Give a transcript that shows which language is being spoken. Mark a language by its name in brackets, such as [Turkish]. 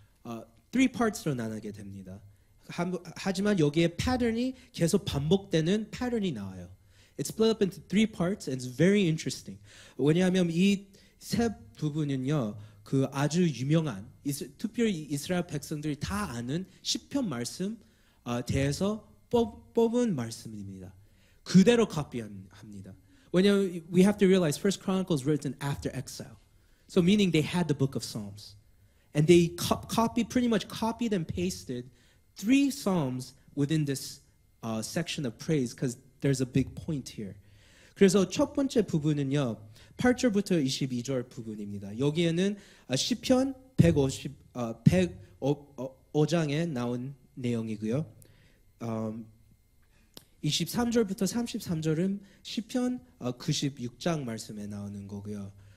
[English] 3 parts [Korean] 로 나누게 됩니다. 하지만 여기에 패턴이 계속 반복되는 패턴이 나와요. [English] It's split up into 3 parts and it's very interesting. [Korean] 왜냐하면 이 세 부분은요. 그 아주 유명한 특별히 이스라엘 백성들이 다 아는 시편 말씀 대해서 뽑은 말씀입니다. 그대로 copy합니다. 왜냐하면 [English] we have to realize First Chronicles written after exile. So meaning they had the book of Psalms. And they pretty much copied and pasted 3 psalms within this section of praise because there's a big point here. [Korean] 그래서 첫 번째 부분은요. 8절부터 22절 부분입니다. 여기에는 시편 105장에 나온 내용이고요. 23절부터 33절은 시편 96장 말씀에 나오는 거고요.